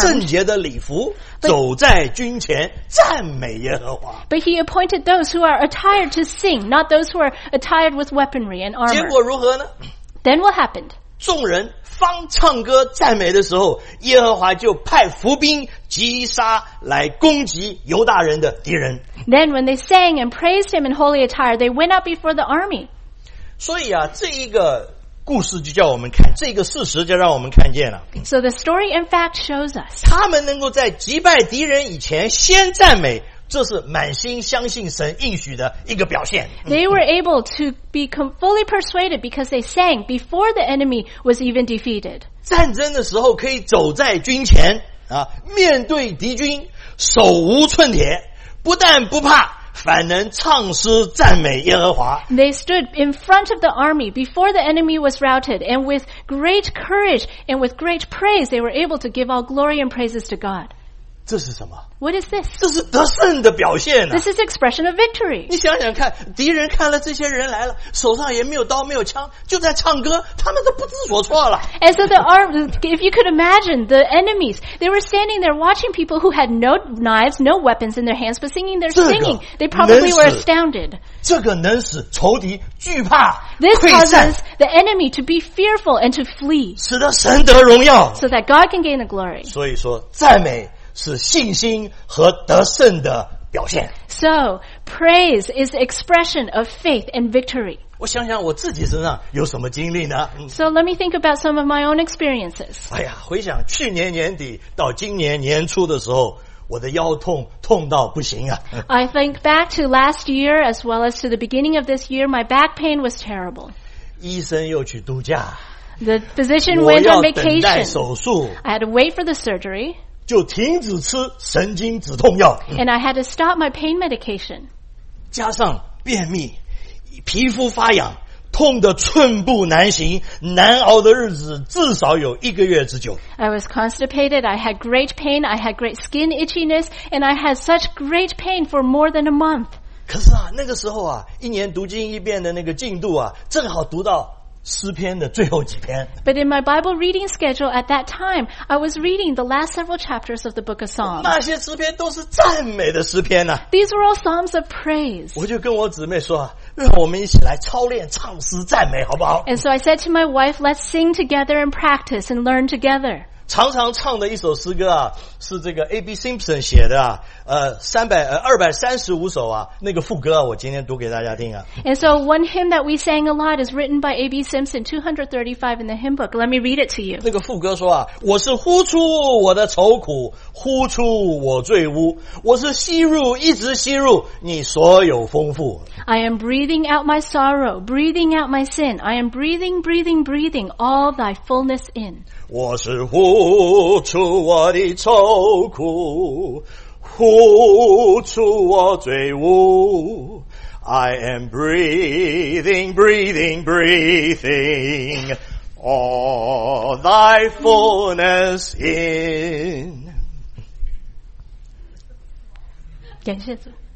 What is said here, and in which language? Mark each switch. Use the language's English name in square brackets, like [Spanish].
[Chinese] 圣洁的礼服 [English] but, [Chinese] 走在军前赞美耶和华。 [English] But he appointed those who are attired to sing, not those who are attired with weaponry and armor. [Chinese] 结果如何呢 [English] Then what happened? [Chinese] 众人方唱歌赞美的时候耶和华就派伏兵击杀来攻击犹大人的敌人。 [English] Then when they sang and praised him in holy attire, they went out before the army. [Chinese] 所以啊这一个故事就叫我们看这个事实就让我们看见了 [English] So the story in fact shows us [Chinese] 他们能够在击败敌人以前先赞美这是满心相信神应许的一个表现 [English] They were able to be fully persuaded because they sang before the enemy was even defeated [Chinese] 战争的时候可以走在军前啊，面对敌军手无寸铁不但不怕反能唱诗赞美耶和华。 [English] They stood in front of the army before the enemy was routed, and with great courage and with great praise, they were able to give all glory and praises to God. [Chinese] 这是什么 [English] ？What is this？ [Chinese] 这是得胜的表现、啊。 [English] This is expression of victory. [Chinese] 你想想看，敌人看了这些人来了，手上也没有刀，没有枪，就在唱歌，他们都不知所措了。 [English] And so the army, if you could imagine the enemies, they were standing there watching people who had no knives, no weapons in their hands, but singing their singing. They probably were astounded. [Chinese] 这个能使仇敌惧怕。 [English] This causes the enemy to be fearful and to flee. [Chinese] 使得神得荣耀。 [English] So that God can gain the glory. [Chinese] 所以说赞美。是信心和得胜的表现。 [English] So, praise is the expression of faith and victory. [Chinese] 我想想我自己身上有什么经历呢 [English] ？So let me think about some of my own experiences. [Chinese] 哎呀，回想去年年底到今年年初的时候，我的腰痛痛到不行啊。 [English] I think back to last year as well as to the beginning of this year, my back pain was terrible. [Chinese] 医生又去度假。 [English] The physician went on vacation. [Chinese] 我要等待手术。 [English] I had to wait for the surgery. [Chinese] 就停止吃神经止痛药。 [English] And I had to stop my pain medication. [Chinese] 加上便秘，皮肤发痒，痛得寸步难行，难熬的日子至少有一个月之久。 [English] I was constipated. I had great pain. I had great skin itchiness, and I had such great pain for more than a month. [Chinese] 可是啊，那个时候啊，一年读经一遍的那个进度啊，正好读到诗篇的最后几篇。 [English] But in my Bible reading schedule at that time, I was reading the last several chapters of the Book of Psalms. [Chinese] 那些诗篇都是赞美的诗篇啊。 [English] These were all psalms of praise. [Chinese] 我就跟我姊妹说，让我们一起来操练唱诗赞美，好不好？ [English] And so I said to my wife, let's sing together and practice and learn together. [Chinese] 常常唱的一首诗歌啊，是这个 A.B. Simpson 写的啊，235首啊，那个副歌啊，我今天读给大家听啊。 [English] And so one hymn that we sang a lot is written by A.B. Simpson, 235 in the hymn book. Let me read it to you. [Chinese] 那个副歌说啊，我是呼出我的愁苦，呼出我罪污，我是吸入，一直吸入你所有丰富。 [English] I am breathing out my sorrow, breathing out my sin. I am breathing, breathing, breathing all thy fullness in. [Chinese] 我是呼出我的愁苦，呼出我罪污。 [English] I am breathing, breathing, breathing all thy fullness in. [Chinese] 感谢主。